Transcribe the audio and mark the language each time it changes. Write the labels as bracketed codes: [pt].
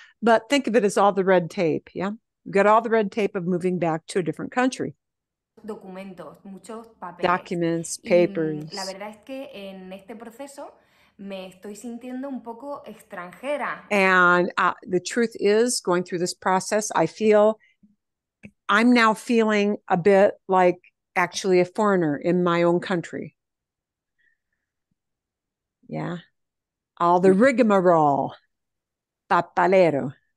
[en] But think of it as all the red tape, yeah? You got all the red tape of moving back to a different country. [es] Documentos, muchos papeles. [en] Documents, papers. [es] Y la verdad es que en este proceso me estoy sintiendo un poco extranjera. [en] And the truth is, going through this process, I'm now feeling a bit like actually a foreigner in my own country. Yeah. All the rigmarole. Papalero.